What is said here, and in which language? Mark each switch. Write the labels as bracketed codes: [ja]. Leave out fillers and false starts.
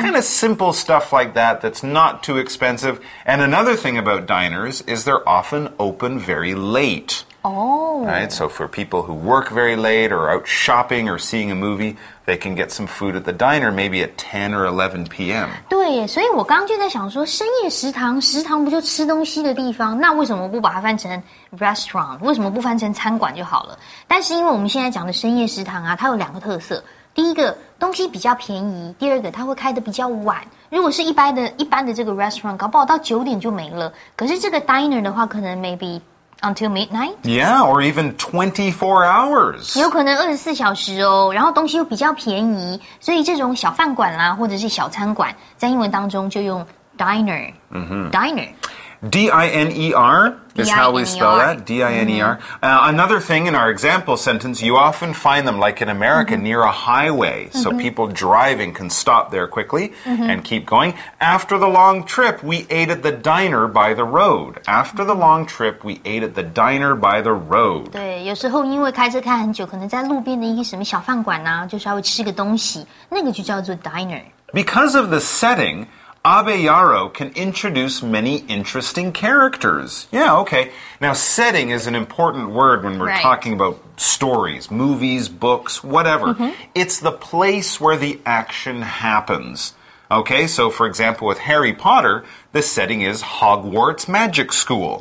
[en] kind of simple stuff like that that's not too expensive. And another thing about diners is they're often open very late. Oh. Right, so for people who work very late or out shopping or seeing a movie, they can get some food at the diner maybe at 10 or 11 p.m. [zh] 对耶，所以我刚刚就在想说深夜食堂，食堂不就吃东西的地方，那为什么不把它翻成 restaurant, 为什么不翻成餐馆就好了？但是因为我们现在讲的深夜食堂啊，它有两个特色。第一个，东西比较便宜，第二个，它会开得比较晚。如果是一般的这个 restaurant, 搞不好到9点就没了。可是这个 diner 的话，可能 maybe... [en] Until midnight? Yeah, or even 24 hours. [zh] 有可能24小时哦，然后东西又比较便宜，所以这种小饭馆啦，或者是小餐馆，在英文当中就用 diner,、 mm-hmm. [en] diner. D-I-N-E-R is D-I-N-E-R. How we spell that, D-I-N-E-R.、Mm-hmm. Another thing in our example sentence, you often find them, like in America,、mm-hmm. near a highway,、 mm-hmm. so people driving can stop there quickly、 mm-hmm. and keep going. After the long trip, we ate at the diner by the road. After the long trip, we ate at the diner by the road. [zh] 对，有时候因为开车开很久，可能在路边的一些什么小饭馆啊，就稍微吃个东西，那个就叫做 diner. [en] Because of the setting... Abe Yaro can introduce many interesting characters. Yeah, okay. Now, setting is an important word when we're、 right. talking about stories, movies, books, whatever.、 Mm-hmm. It's the place where the action happens. Okay, so for example, with Harry Potter, the setting is Hogwarts Magic School.、